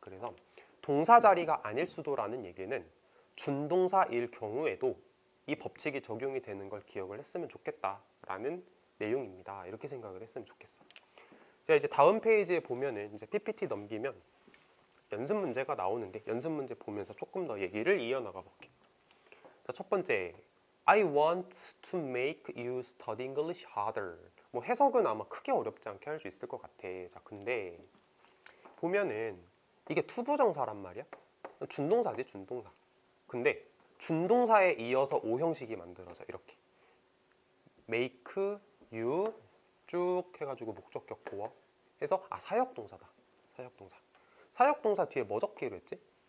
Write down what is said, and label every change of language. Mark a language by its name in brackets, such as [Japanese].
[Korean] 그래서 동사 자리가 아닐 수도라는 얘기는 준동사일 경우에도 이 법칙이 적용이 되는 걸 기억을 했으면 좋겠다라는 내용입니다. 이렇게 생각을 했으면 좋겠어. 자, 이제 다음 페이지에 보면은 이제 PPT 넘기면 연습 문제가 나오는데 연습 문제 보면서 조금 더 얘기를 이어나가 볼게. 자, 첫 번째. [English] I want to make you study English harder. [Korean] 뭐 해석은 아마 크게 어렵지 않게 할 수 있을 것 같아. 자, 근데 보면은 이게 to 부정사란 말이야. 준동사지, 준동사. 근데 준동사에 이어서 오형식이 만들어져 이렇게 [English] make you [Korean] 쭉 해가지고 목적격 보어 해서 아 사역동사다 사역동사 사역동사 뒤에 뭐 적기로 했지?